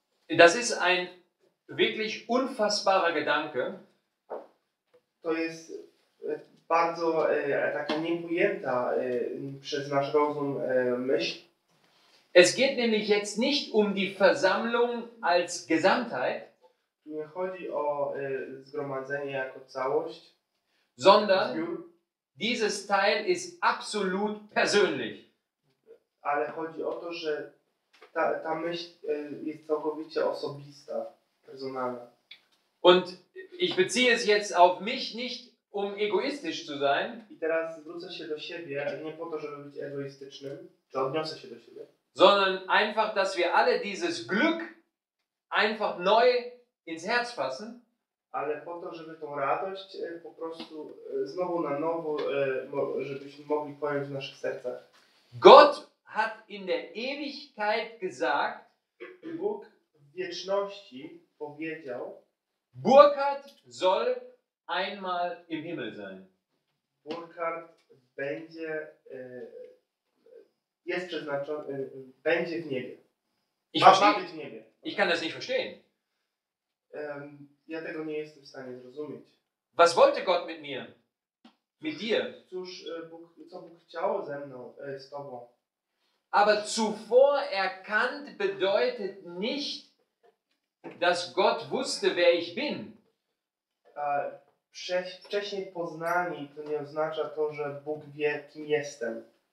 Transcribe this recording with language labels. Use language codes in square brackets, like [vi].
[de] Das ist ein wirklich unfassbarer Gedanke. [pl] To jest bardzo taka niepojęta przez nasz rozum myśl. [de] Es geht nämlich jetzt nicht um die Versammlung als Gesamtheit, [pl] nie chodzi o zgromadzenie jako całość, [de] sondern dieses Teil ist absolut persönlich. [pl] Ale chodzi o to, że ta myśl jest całkowicie osobista, personalna. [de] Und ich beziehe es jetzt auf mich, nicht um egoistisch zu sein. [pl] I teraz zwrócę się do siebie, nie po to, żeby być egoistycznym, czy odniosę się do siebie. [de] Sondern einfach, dass wir alle dieses Glück einfach neu ins Herz fassen. [pl] Ale po to, żeby tą radość po prostu znowu na nowo, żebyśmy mogli pojąć w naszych sercach. [de] Gott hat in der Ewigkeit gesagt, [pl] Bóg w wieczności powiedział, [de] Burkhard soll einmal im Himmel sein. [pl] Burkhard będzie jest przeznaczony, będzie w niebie. [de] Ich kann das nicht verstehen. [pl] Ja tego nie jestem w stanie zrozumieć. [de] Was wollte Gott mit mir? Mit dir? [pl] Co Bóg chciał ze mną, z tobą? [de] Aber zuvor erkannt bedeutet nicht, dass Gott wusste, wer ich bin. [pl] Wcześniej poznani to nie oznacza to, że Bóg wie, kim jestem.